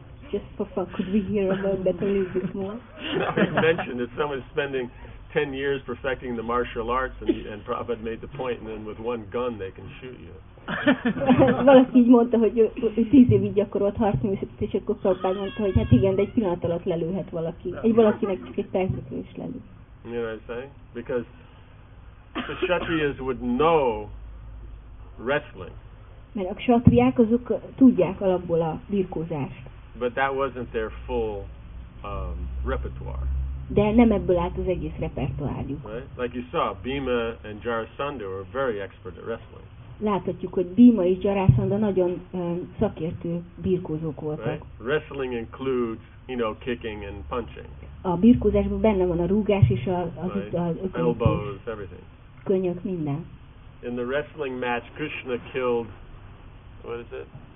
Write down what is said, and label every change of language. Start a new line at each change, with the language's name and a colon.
English: Just for fun, could we hear about that a little bit more? I mentioned that someone is spending 10 years perfecting the martial arts and Prabhupada made the point and then with one gun they can shoot you.
Hungarian: Valaki így mondta, hogy 10 évig gyakorolt harcművészetet, és akkor Prabhupada mondta, hogy hát igen, de egy pillanat alatt lelőhet valaki. Egy valakinek csak egy perceklés lelő.
English: You know what I'm saying? Because the kshatriyas would know wrestling.
Hungarian: Mert a kshatriák azok tudják alapból a birkózást.
English: But that wasn't their full repertoire.
Hungarian: De nem ebből állt az egész repertoárjuk.
English: Right? Like you saw, Bhima and Jarasandha were very expert at wrestling.
Hungarian: Láthatjuk, hogy Bhima és Jarasandha nagyon szakértő birkózók voltak.
English: Right? Wrestling includes, you know, kicking and punching.
Hungarian: A birkózásban benne van a rúgás és
English: elbows, everything.
Hungarian: Könnyök, minden.
English: In the wrestling match, Krishna killed, what is it?